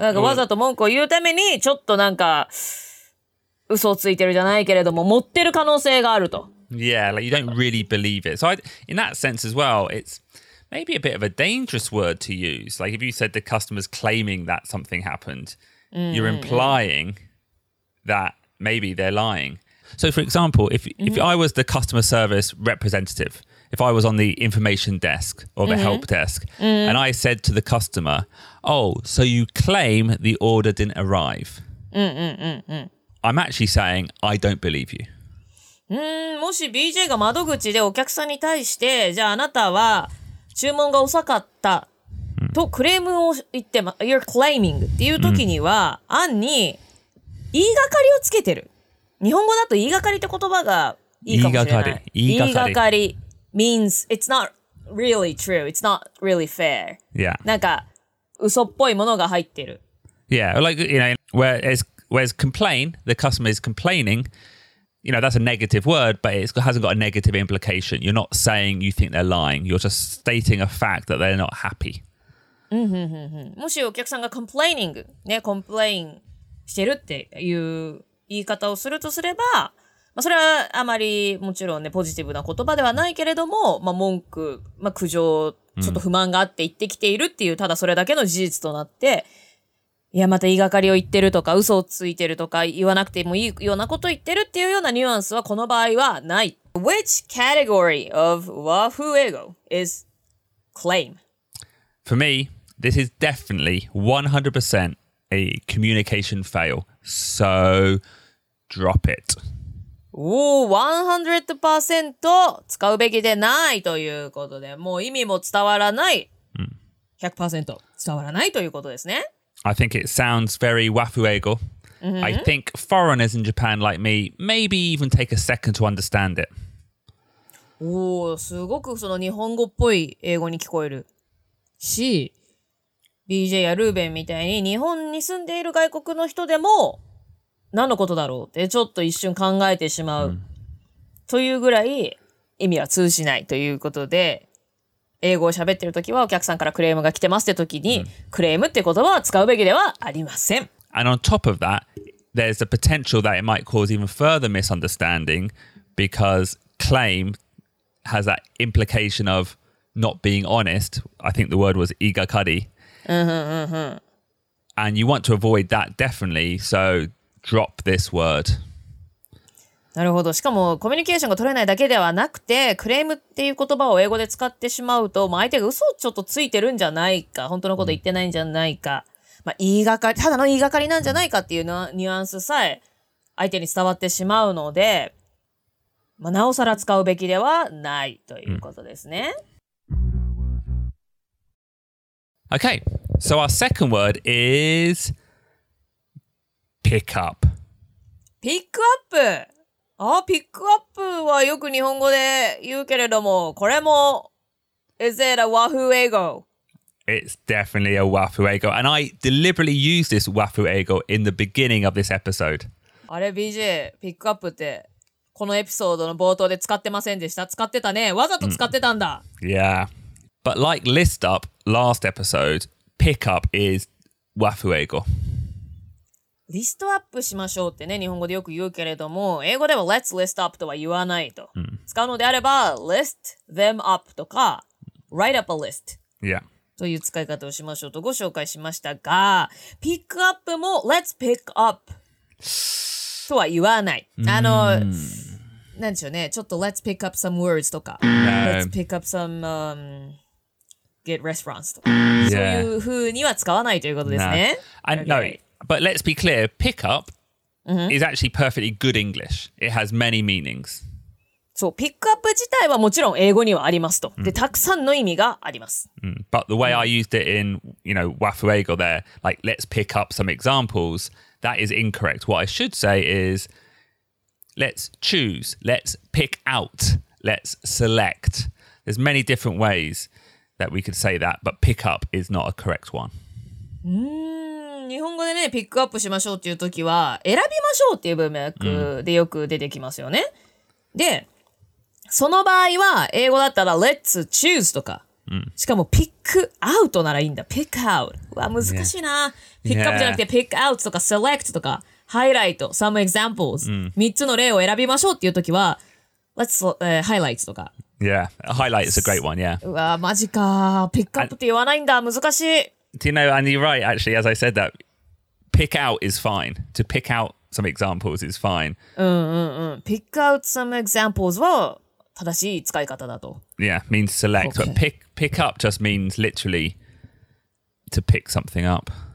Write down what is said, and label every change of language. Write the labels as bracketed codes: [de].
[ja] なんかわざと文句を言うためにちょっとなんか嘘をついてるじゃないけれども持ってる可能性があると [en] Yeah, like you don't really believe it. So I, in that sense as well, it's maybe a bit of a dangerous word to use. Like if you said the customer's claiming that something happened, you're implying that maybe they're lying. So, for example, if、mm-hmm. I was the customer service representative, if I was on the information desk or the、mm-hmm. help desk,、 mm-hmm. and I said to the customer, oh, so you claim the order didn't arrive,、 mm-hmm. I'm actually saying, I don't believe you.、 Mm-hmm. [ja] もし BJ が窓口でお客さんに対して、じゃああなたは注文が遅かったとクレームを言って、mm-hmm. [en] you're claiming [ja] っていう時には、mm-hmm. 案に言いがかりをつけてる。日本語だと言いがかりって言葉がいいかもしれない。言いがかり。 [en] 言いがかり means it's not really true. It's not really fair. Yeah. [ja] なんか嘘っぽいものが入ってる。 [en] Yeah, like, you know, whereas complain, the customer is complaining, you know, that's a negative word, but it hasn't got a negative implication. You're not saying you think they're lying. You're just stating a fact that they're not happy. [ja] もしお客さんが complaining, ね、complain してるっていう言い方をするとすれば、まあ、それはあまりもちろんね、ポジティブな言葉ではないけれども、まあ、文句、まあ、苦情、ちょっと不満があって言ってきているっていう、ただそれだけの事実となって、いや、また言いがかりを言ってるとか、嘘をついてるとか、言わなくてもいいようなこと言ってるっていうようなニュアンスはこの場合はない。 [en] Which category of 和風英語 is claim? For me, this is definitely 100% a communication fail. So, drop it. [ja] Oh, 100% 使うべきでないということで、もう意味も伝わらない。 100% 伝わらないということですね。 [en] I think it sounds very wafuego. Mm-hmm. I think foreigners in Japan like me maybe even take a second to understand it. [ja] Oh, すごくその日本語っぽい英語に聞こえるし、BJ やルーベンみたいに日本に住んでいる外国の人でも何のことだろうってちょっと一瞬考えてしまうというぐらい意味は通じないということで英語を喋ってるときはお客さんからクレームが来てますってときにクレームって言葉は使うべきではありません。 [en] And on top of that, there's a potential that it might cause even further misunderstanding because claim has that implication of not being honest. I think the word was igakari. And you want to avoid that definitely, so drop this word. [ja] なるほど。しかもコミュニケーションが取れないだけではなくて、クレームっていう言葉を英語で使ってしまうと、まあ、相手が嘘をちょっとついてるんじゃないか、本当のこと言ってないんじゃないか、まあ、言いがかり、ただの言いがかりなんじゃないかっていうニュアンスさえ相手に伝わってしまうので、まあ、なおさら使うべきではないということですね。 [en] Okay, so our second word is pick up. [ja] Pick up. Oh, pick up はよく日本語で言うけれども、これも [en] is it a [ja] 和風英語? [en] it's definitely a Wafu Ego. And I deliberately used this Wafu Ego in the beginning of this episode. [ja] あれ、BJ、ピックアップって、このエピソードの冒頭で使ってませんでした。使ってたね。わざと使ってたんだ。 [en] Yeah. But like list up last episode, pick up is Wafu Ego. [ja] リストアップしましょうってね、日本語でよく言うけれども、英語では [en] Let's list up [ja] とは言わないと。使うのであれば、 [en] List them up [ja] とか、 [en] Write up a list、 yeah. [ja] という使い方をしましょうとご紹介しましたが、ピックアップも [en] Let's pick up [ja] とは言わない。あの、なんでしょうね、ちょっと [en] Let's pick up some words [ja] とか、 [en] Let's pick up some、get restaurants [ja] とか、 [en] yeah. [ja] そういうふうには使わないということですね。 [en] No. I know. But let's be clear, pick up、mm-hmm. is actually perfectly good English. It has many meanings. [ja] So, pick up 自体はもちろん英語にはありますと。Mm. で、たくさんの意味があります。 Mm. [en] But the way、mm. I used it in, you know, Wafu Ego there, like, let's pick up some examples, that is incorrect. What I should say is, let's choose, let's pick out, let's select. There's many different ways that we could say that, but pick up is not a correct one. Mm. [ja] 日本語でね、ピックアップしましょうっていうときは、選びましょうっていう文脈でよく出てきますよね。で、その場合は、英語だったら、 [en] Let's choose [ja] とか。しかも、ピックアウトならいいんだ。ピックアウト。うわ、難しいな。ピックアップじゃなくて、ピックアウトとか、セレクトとか、ハイライト、 [en] some examples。 [ja] 3つの例を選びましょうっていうときは、 [en] Let's highlights [ja] とか。 [en] Yeah, highlight is a great one, yeah. [ja] うわ、マジか。ピックアップって言わないんだ。難しい。 [en] Do you know, and you're right, actually, as I said that, pick out is fine. To pick out some examples is fine. Pick out some examples [ja] は正しい使い方だと。 [en] Yeah, means select.、Okay. But pick up just means literally to pick something up.